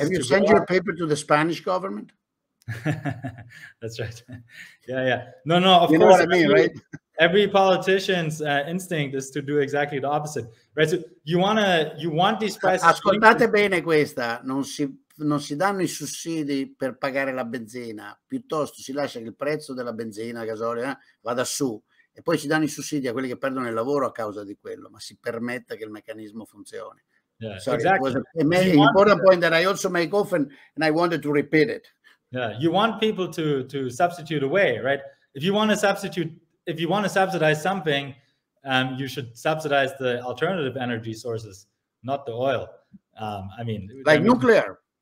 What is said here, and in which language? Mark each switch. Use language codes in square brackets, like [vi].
[en] Have you sent your paper to the Spanish government? That's right. Yeah. No, of course. You know what I mean, right? Every politician's instinct is to do exactly the opposite, right? So you want these prices. [it] Ascoltate bene questa. Non si danno i sussidi per pagare la benzina, piuttosto si lascia che il prezzo della benzina, gasolio, vada su, e poi si danno i sussidi a quelli che perdono il lavoro a causa di quello, ma si permetta che il meccanismo funzioni. [en] Important point that I also make often, and I wanted to repeat it. Yeah, you want people to substitute away, right? If you want to subsidize something, you should subsidize the alternative energy sources, not the oil. Nuclear.